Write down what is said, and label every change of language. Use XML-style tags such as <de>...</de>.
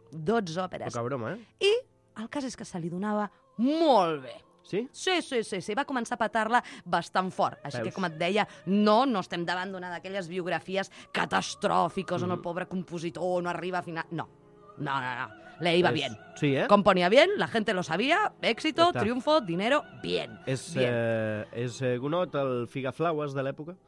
<ca>12 òperes. Poca broma, eh? I el cas és que se li donava molt bé. Sí. Va començar a petar-la bastant fort. Així Veus. Que, com et deia, no estem davant d'una d'aquelles biografies catastròfiques on el pobre compositor no arriba a final...</ca> <es>No. Le iba bien. Sí, eh? Componía bien, la gente lo sabía, éxito, Está. Triunfo, dinero, bien.</es> <ca>És Gounod el Figaflauas de l'època?</ca>